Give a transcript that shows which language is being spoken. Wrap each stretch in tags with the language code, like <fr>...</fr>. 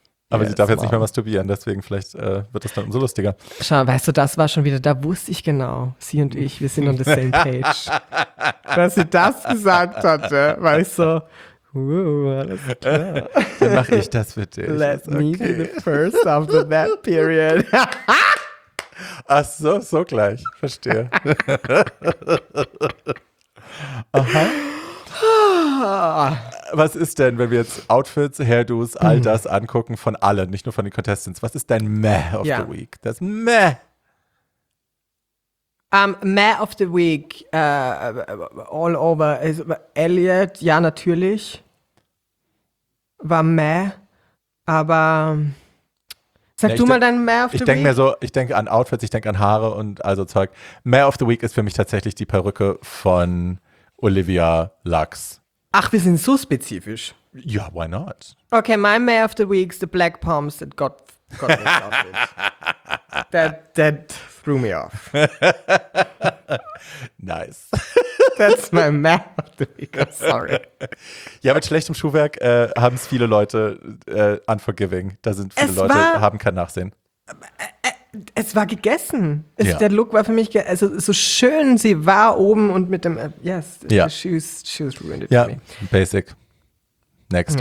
<de>Aber sie darf jetzt nicht mehr masturbieren, deswegen vielleicht wird das dann umso lustiger. Schau, weißt du, das war schon wieder, da wusste ich genau, sie und ich, wir sind</de> <en>on the same page.</en> <de>Dass sie das gesagt hatte, war ich so, alles klar. Dann mache ich das für dich.</de> <en>Let me be the first of the bad period.</en> <de>Ach so, so gleich, verstehe. Aha. Was ist denn, wenn wir jetzt Outfits, Hairdos, all das angucken von allen, nicht nur von den Contestants, was ist dein Meh of the Week? Das Meh. Man of the Week, all over, is Elliot, ja, natürlich, war Man, aber sag du mal dein Man of the Week. Ich denke mir so, ich denke an Outfits, ich denke an Haare und also Zeug. Man of the Week ist für mich tatsächlich die Perücke von Olivia Lux. Ach, wir sind so spezifisch.</de> <en>Ja, why not? Okay, my May of the Week is the Black Palms that got me off it. That threw me off. Nice. That's my May of the Week, I'm sorry.</en> <de>Ja, mit schlechtem Schuhwerk haben es viele Leute unforgiving. Da sind viele Leute, haben kein Nachsehen. Es war gegessen. Es, ja. Der Look war für mich, also so schön sie war oben und mit dem, yes, ja.</de> <en>The shoes ruined it,</en> <de>ja,</de> <en>for me. Basic. Next.</en>